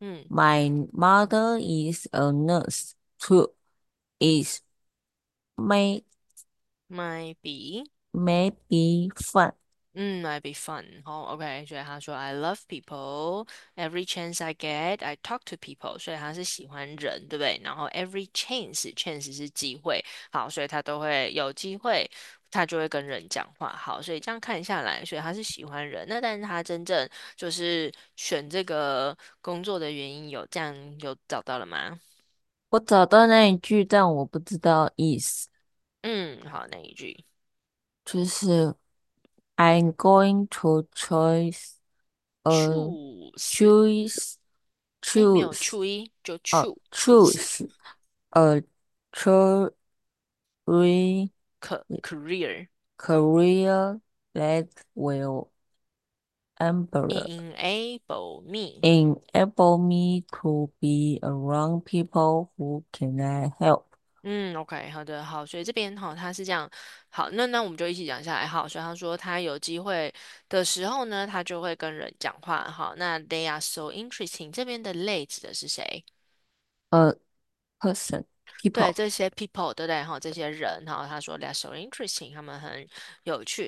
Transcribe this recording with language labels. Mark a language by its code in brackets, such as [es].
[en] My mother is a nurse too. Is may be fun. Might be fun. Oh, okay. [zh] 所以他说， [en] I love people. Every chance I get, I talk to people. [zh] 所以他是喜欢人，对不对？然后 [en] every chance [zh] 是机会。好，所以他都会有机会。他就会跟人讲话，好，所以这样看下来，所以他是喜欢人。那但是他真正就是选这个工作的原因有这样有找到了吗？我找到那一句，但我不知道意思。好，那一句。就是 [en] I'm going to choose [zh] choose，后面有 tree 就 choose， [en] choose career。 career that will Enable me. enable me to be around people who can I help. [zh] OK，好的，好，所以这边哈，他是这样，好，那我们就一起讲下来哈。所以他说他有机会的时候呢，他就会跟人讲话哈。那 [en] they are so interesting， [zh] 这边的类指的是谁？ [en] Person, [zh] 对， [en] people. [zh] 这些 people 对不对？哈，这些人，然后他说 [en] they're so interesting， [zh] 他们很有趣。